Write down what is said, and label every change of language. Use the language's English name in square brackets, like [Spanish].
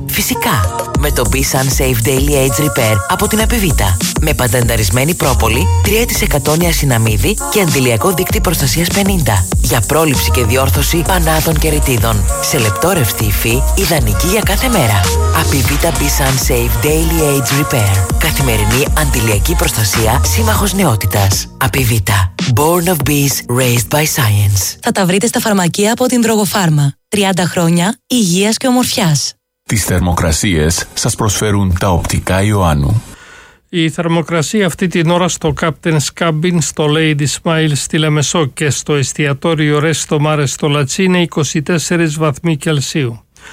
[Greek] Φυσικά, με το Bissan Safe Daily Age Repair από την Απιβίτα. Με πατενταρισμένη πρόπολη, 3% νιασυναμίδη και αντιλιακό δίκτυο προστασίας 50. Για πρόληψη και διόρθωση πανάδων και ρητίδων. Σε λεπτόρευστη υφή, ιδανική για κάθε μέρα. Απιβίτα Bissan Safe Daily Age Repair. Καθημερινή αντιλιακή προστασία, σύμμαχος νεότητας. Απιβίτα. [English] Born of Bees, Raised by Science. [Greek] Θα τα βρείτε στα φαρμακεία από την Δρογοφάρμα. 30 χρόνια υγείας και ομορφιάς. Τις θερμοκρασίες σας προσφέρουν τα οπτικά Ιωάννου. Η θερμοκρασία αυτή την ώρα στο Captain's Cabin, στο Lady Smile στη Λεμεσό και στο εστιατόριο Resto Mare στο Λατσί είναι 24 βαθμοί Κελσίου.